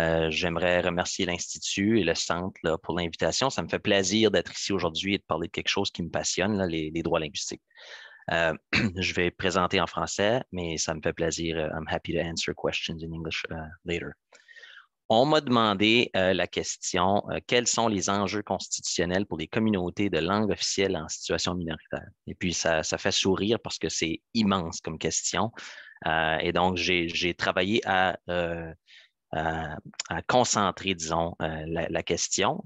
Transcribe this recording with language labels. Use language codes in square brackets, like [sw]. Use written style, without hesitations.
[fr] J'aimerais remercier l'Institut et le Centre là, pour l'invitation. Ça me fait plaisir d'être ici aujourd'hui et de parler de quelque chose qui me passionne, là, les droits linguistiques. Je vais présenter en français, mais ça me fait plaisir. [en] I'm happy to answer questions in English later. [fr] On m'a demandé la question, quels sont les enjeux constitutionnels pour les communautés de langue officielle en situation minoritaire? Et puis, ça fait sourire parce que c'est immense comme question. Et donc, j'ai travaillé à concentrer, disons, la question.